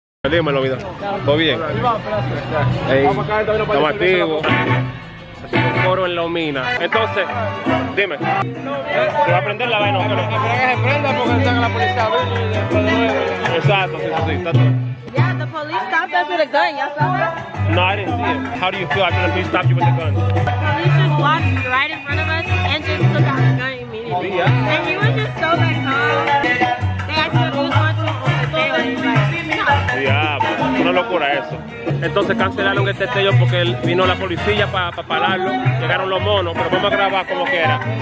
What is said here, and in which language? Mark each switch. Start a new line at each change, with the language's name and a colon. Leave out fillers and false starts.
Spanish: Dime la vida. ¿Todo bien? Estamos activos. Es un coro en la mina. Entonces, dime. ¿Se va a prender la vaina? Espera que se prenda porque está en la policía. Exacto, sí. Está todo.
English: Yeah, the police stopped us with a gun. Y'all saw that? No, I didn't see it. How do you feel after the police stopped you with a gun? The police just walked right in front of us and just took out the gun immediately. Yeah. And he was just so like calm. They asked him if he was going to open the door.
Spanish: Diablo, es una locura eso. Entonces cancelaron este sello porque vino la policía para pararlo. Llegaron los monos, pero vamos a grabar como quiera.